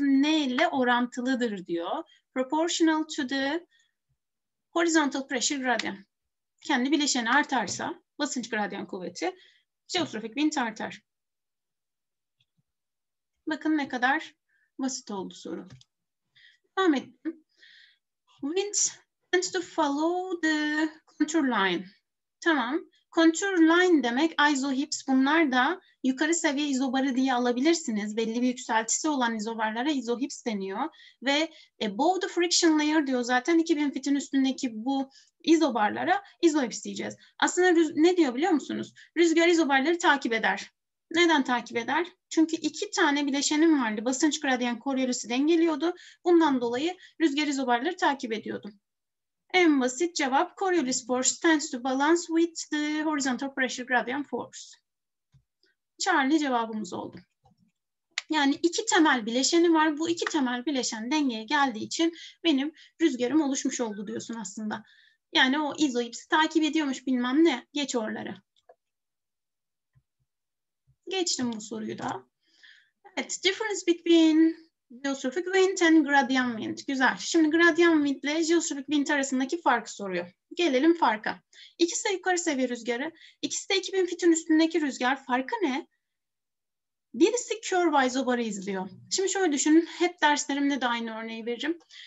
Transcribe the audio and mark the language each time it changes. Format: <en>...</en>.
<tr>Ne ile orantılıdır diyor.</tr> <en>Proportional to the horizontal pressure gradient.</en> <tr>Kendi bileşeni artarsa basınç gradyan kuvveti. Jeostrofik wind artar. Bakın ne kadar basit oldu soru. Devam edelim.</tr> <en>Wind tends to follow the contour line.</en> <tr>Tamam. Contour line demek isohips. Bunlar da yukarı seviye izobarı diye alabilirsiniz. Belli bir yükseltisi olan izobarlara isohips deniyor. Ve</tr> <en>above the friction layer</en> <tr>diyor zaten 2000 fitin üstündeki bu izobarlara isohips diyeceğiz. Aslında ne diyor biliyor musunuz? Rüzgar izobarları takip eder. Neden takip eder? Çünkü iki tane bileşenim vardı. Basınç gradyan koriolisi dengeliyordu. Bundan dolayı rüzgar izobarları takip ediyordum. En basit cevap</tr> <en>Coriolis force tends to balance with the horizontal pressure gradient force.</en> <tr>Charlie cevabımız oldu. Yani iki temel bileşeni var. Bu iki temel bileşen dengeye geldiği için benim rüzgarım oluşmuş oldu diyorsun aslında. Yani o izohipsi takip ediyormuş bilmem ne. Geç oraları. Geçtim bu soruyu da. Evet,</tr> <en>difference between geostrophic wind and gradient wind.</en> <tr>Güzel. Şimdi gradient wind ile geostrophic wind arasındaki farkı soruyor. Gelelim farka. İkisi de yukarı seviye rüzgarı. İkisi de 2000 fitin üstündeki rüzgar. Farkı ne? Birisi curve izobarı izliyor. Şimdi şöyle düşünün. Hep derslerimde de aynı örneği veririm.</tr>